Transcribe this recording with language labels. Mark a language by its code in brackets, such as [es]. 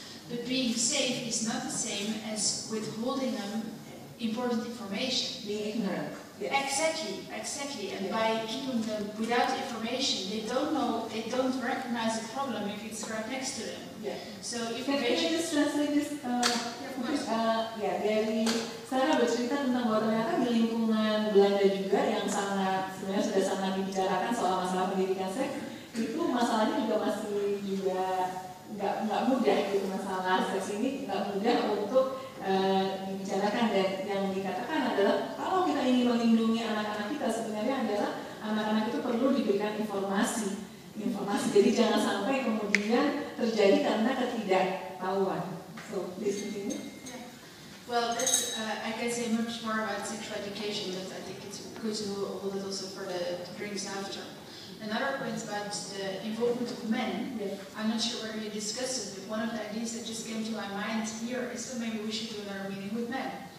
[en] But being safe is not the same as withholding them important information. Being ignorant. Yes. Exactly. And by keeping them without information, they don't know, they don't recognize the problem if it's right next to them. Yeah. So information. Can I just translate this? [id] Dari Sarah bercerita tentang bahwa ternyata di lingkungan Belanda juga yang sangat sebenarnya sudah sangat dibicarakan soal masalah pendidikan seks, itu masalahnya juga masih juga nggak mudah gitu, masalah seks ini nggak mudah untuk dibicarakan. Dan yang dikatakan adalah kalau kita ingin melindungi anak-anak kita, sebenarnya adalah anak-anak itu perlu diberikan informasi. Jadi jangan sampai kemudian terjadi karena ketidaktahuan. [en] So this is it. Well, that's, I can say much more about sexual education, but I think it's good to hold it also for the drinks after. Another point about the involvement of men, yes. I'm not sure where you discussed it, but one of the ideas that just came to my mind here is that maybe we should do another meeting with men.